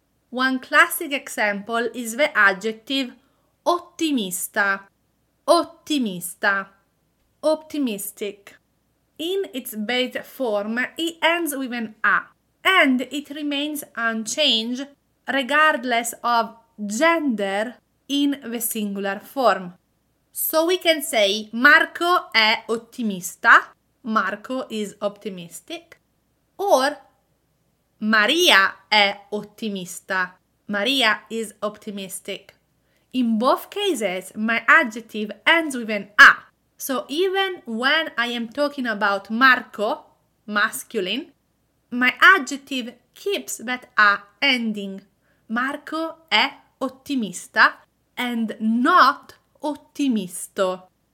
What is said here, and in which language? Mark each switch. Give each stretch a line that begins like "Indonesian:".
English: One classic example is the adjective ottimista. Ottimista. Optimistic. In its base form, it ends with an A and it remains unchanged regardless of gender in the singular form. So we can say
Italian: Marco è ottimista,
English: Marco is optimistic, or
Italian: Maria è ottimista,
English: Maria is optimistic. In both cases, my adjective ends with an A. So even when I am talking about Marco, masculine, my adjective keeps that A ending.
Italian: Marco è ottimista
English: and not ottimisto.